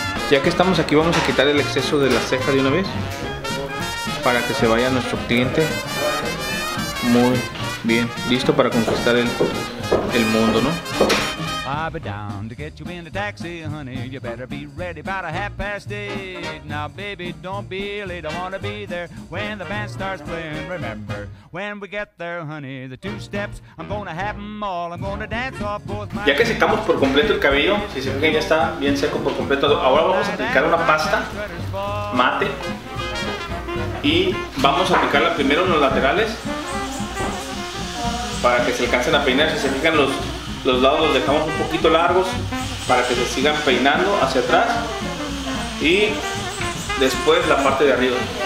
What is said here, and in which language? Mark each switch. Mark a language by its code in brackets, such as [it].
[es] Ya que estamos aquí, vamos a quitar el exceso de la ceja de una vez para que se vaya nuestro cliente muy bien, listo para conquistar el mundo, ¿no? [en] I'll be down to get you in the taxi, honey. You better be ready about a half past eight. Now, baby, don't be late. I wanna be there when the band starts playing. Remember, when we get there, honey, the two steps, I'm gonna have them all. I'm gonna dance off both my... [es] Ya que secamos por completo el cabello, si se fijan, ya está bien seco por completo. Ahora vamos a aplicar una pasta mate y vamos a aplicarla primero en los laterales para que se alcancen a peinar. Si se fijan, los lados los dejamos un poquito largos para que se sigan peinando hacia atrás, y después la parte de arriba.